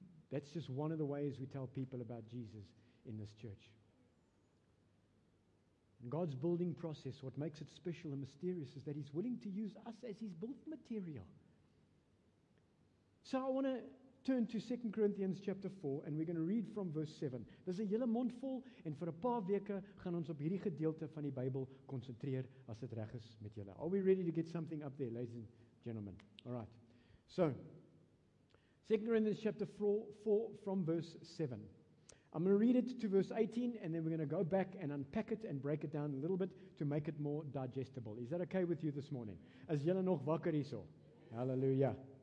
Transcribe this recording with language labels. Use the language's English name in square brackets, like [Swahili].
[English] That's just one of the ways we tell people about Jesus in this church. God's building process, what makes it special and mysterious is that he's willing to use us as his building material. So I want to turn to 2 Corinthians chapter 4 and we're going to read from verse 7. [Afrikaans] Dis 'n hele mondvol en vir 'n paar weke gaan ons op hierdie gedeelte van die Bybel konsentreer as dit reg is met julle. [English] Are we ready to get something up there, ladies and gentlemen? All right. So, 2 Corinthians chapter 4 from verse 7. I'm going to read it to verse 18, and then we're going to go back and unpack it and break it down a little bit to make it more digestible. Is that okay with you this morning? [Afrikaans] As jylle nog wakker hierso? [English] Hallelujah.